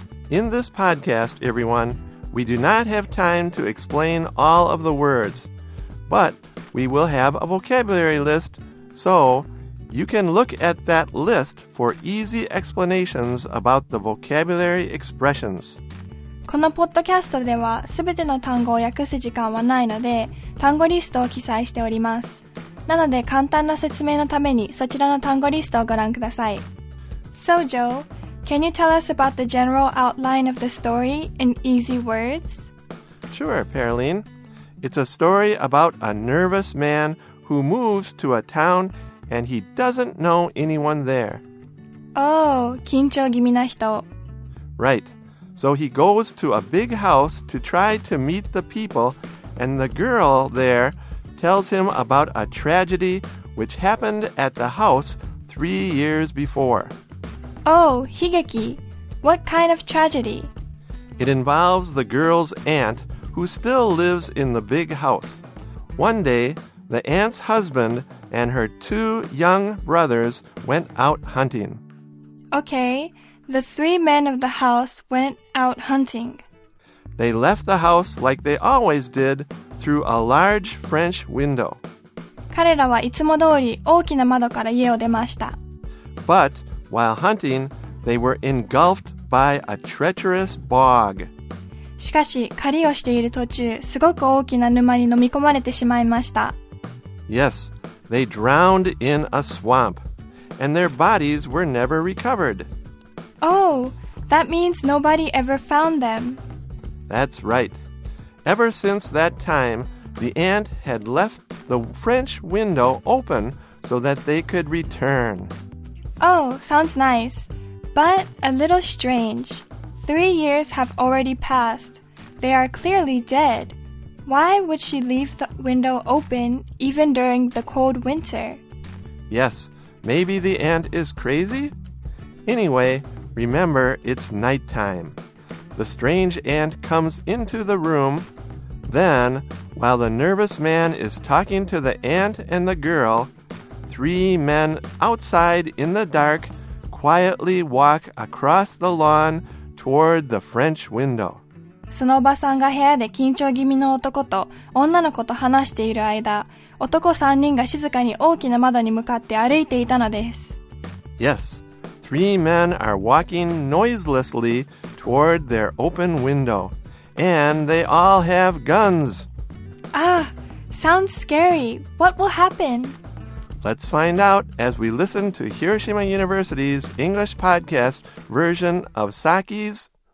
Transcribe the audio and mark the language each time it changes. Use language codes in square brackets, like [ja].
[en] In this podcast, everyone, we do not have time to explain all of the words, but we will have a vocabulary list, so you can look at that list for easy explanations about the vocabulary expressions. [ja] このポッドキャストでは全ての単語を訳す時間はないので、単語リストを記載しております。なので簡単な説明のためにそちらの単語リストをご覧ください。 [en] So Joe, can you tell us about the general outline of the story in easy words? Sure, Paroline. It's a story about a nervous man who moves to a town and he doesn't know anyone there. [ja] Oh, 緊張気味な人。 [en] Right. So he goes to a big house to try to meet the people, and the girl there tells him about a tragedy which happened at the house 3 years before. Oh, higeki. What kind of tragedy? It involves the girl's aunt, who still lives in the big house. One day, the aunt's husband and her two young brothers went out hunting. Okay, the three men of the house went out hunting. They left the house like they always did, through a large French window. [ja] 彼らはいつも通り大きな窓から家を出ました。 [en] But while hunting, they were engulfed by a treacherous bog. [ja] しかし、狩りをしている途中、すごく大きな沼に飲み込まれてしまいました。 [en] Yes, they drowned in a swamp, and their bodies were never recovered. Oh, that means nobody ever found them. That's right. Ever since that time, the aunt had left the French window open so that they could return. Oh, sounds nice. But a little strange. 3 years have already passed. They are clearly dead. Why would she leave the window open even during the cold winter? Yes, maybe the aunt is crazy? Anyway, remember, it's nighttime. The strange aunt comes into the room. Then, while the nervous man is talking to the aunt and the girl, three men outside in the dark quietly walk across the lawn toward the French window. [ja] そのおばさんが部屋で緊張気味の男と女の子と話している間、男3人が静かに大きな窓に向かって歩いていたのです。 [en] Yes, three men are walking noiselessly toward their open window, and they all have guns. Ah, sounds scary. What will happen? Let's find out as we listen to Hiroshima University's English podcast version of Saki's